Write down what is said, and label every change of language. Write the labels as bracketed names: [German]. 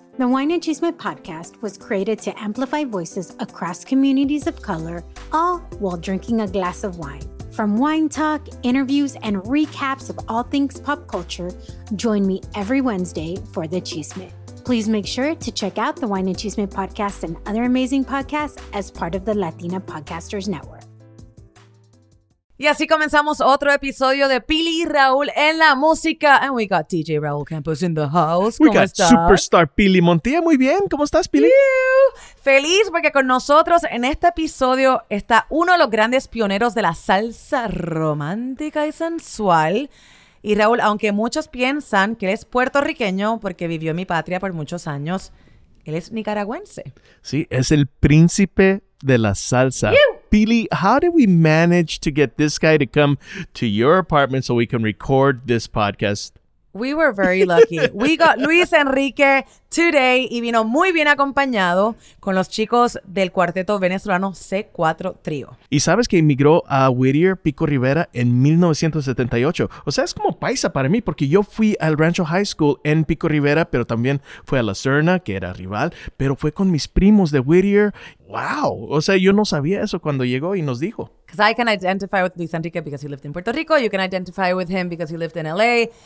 [English] The Wine and Chisme podcast was created to amplify voices across communities of color, all while drinking a glass of wine. From wine talk, interviews, and recaps of all things pop culture, join me every Wednesday for the chisme. Please make sure to check out the Wine and Chisme podcast and other amazing podcasts as part of the Latina Podcasters Network. [Spanish] Y así comenzamos otro episodio de Pili y Raúl en la música. [English] And we got DJ Raúl Campos in the house. We got superstar [Spanish] Pili Montilla. Muy bien. ¿Cómo estás, Pili? Feliz porque con nosotros en este episodio está uno de los grandes pioneros de la salsa romántica y sensual. Y Raúl, aunque muchos piensan que él es puertorriqueño porque vivió en mi patria por muchos años, él es nicaragüense. Sí, es el príncipe de la salsa. [English] Pili, how did we manage to get this guy to come to your apartment so we can record this podcast? We were very lucky. We got Luis Enrique today [Spanish] y vino muy bien acompañado con los chicos del cuarteto venezolano C4 Trío. Y sabes que emigró a Whittier Pico Rivera en 1978. O sea, es como paisa para mí porque yo fui al Rancho High School en Pico Rivera, pero también fui a La Serna, que era rival, pero fue con mis primos de Whittier. ¡Wow! O sea, yo no sabía eso cuando llegó y nos dijo. [English] Because I can identify with Luis Enrique because he lived in Puerto Rico. You can identify with him because he lived in LA.